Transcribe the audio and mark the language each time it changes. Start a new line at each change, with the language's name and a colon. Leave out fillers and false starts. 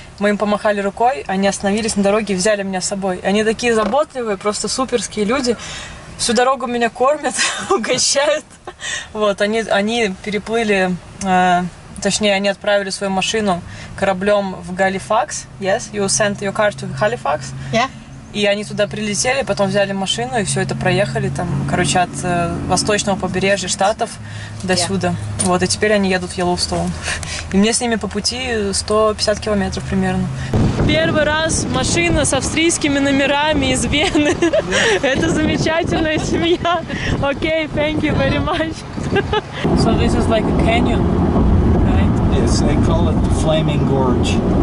Russian: Мы им помахали рукой, они остановились на дороге и взяли меня с собой. Они такие заботливые, просто суперские люди. Всю дорогу меня кормят, угощают. Вот, они переплыли, точнее, они отправили свою машину кораблем в Галифакс.
English: Yes, you sent your car to Halifax. Yeah.
Russian: И они туда прилетели, потом взяли машину и все это проехали, там, короче, от восточного побережья Штатов до сюда.
English: Yeah.
Russian: Вот, и теперь они едут в Йеллоустоун. И мне с ними по пути 150 километров примерно. Первый раз машина с австрийскими номерами из Вены.
English: Yeah.
Russian: Это замечательная семья.
English: Окей, thank you very much. So this is like a canyon, right? Yes, they call it the Flaming Gorge.